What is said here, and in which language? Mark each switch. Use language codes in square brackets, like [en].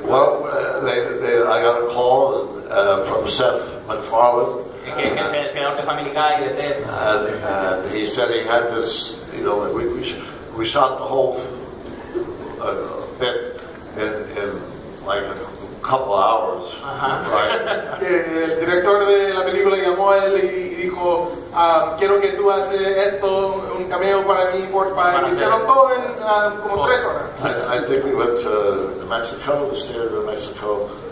[en] Well, I got a call from Seth MacFarlane. And he said he had this, we shot the whole bit in like a couple hours. [es] El director de la película llamó a él y dijo, quiero que tú haces esto, un cameo para mí, por favor. Hicieron todo en como 3 horas. [en] I think we went to New Mexico, the state of New Mexico.